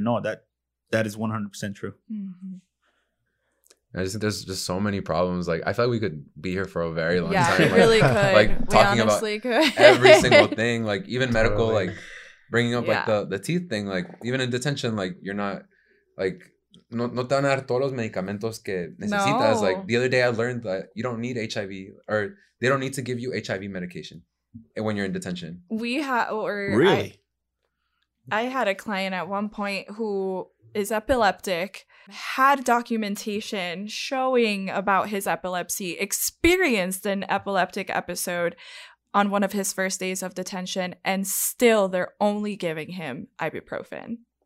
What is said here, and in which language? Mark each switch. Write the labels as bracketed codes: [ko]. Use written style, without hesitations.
[en] No, that is 100% true. Mm-hmm. I just think there's just so many problems. Like, I feel like we could be here for a very long time. Yeah, really could. Like, we talking about every single thing. Like, even medical, like, bringing up, like, the teeth thing. Like, even in detention, like, you're not, like, [es] no te van a dar todos los medicamentos que necesitas. [en] No. Like the other day I learned that you don't need HIV, or they don't need to give you HIV medication when you're in detention. We had, or really? I had a client at one point who is epileptic, had documentation showing about his epilepsy, experienced an epileptic episode on one of his first days of detention, and still they're only giving him ibuprofen.